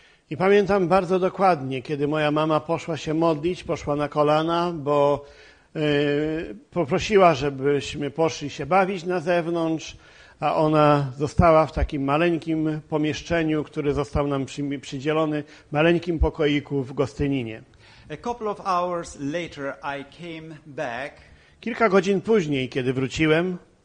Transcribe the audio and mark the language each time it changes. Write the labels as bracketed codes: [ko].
[pl] I pamiętam bardzo dokładnie, kiedy moja mama poszła się modlić, poszła na kolana, bo poprosiła, żebyśmy poszli się bawić na zewnątrz, a ona została w takim maleńkim pomieszczeniu, który został nam przydzielony, maleńkim pokoiku w Gostyninie. [en] A couple of hours later I came back. [pl] Kilka godzin później, kiedy wróciłem,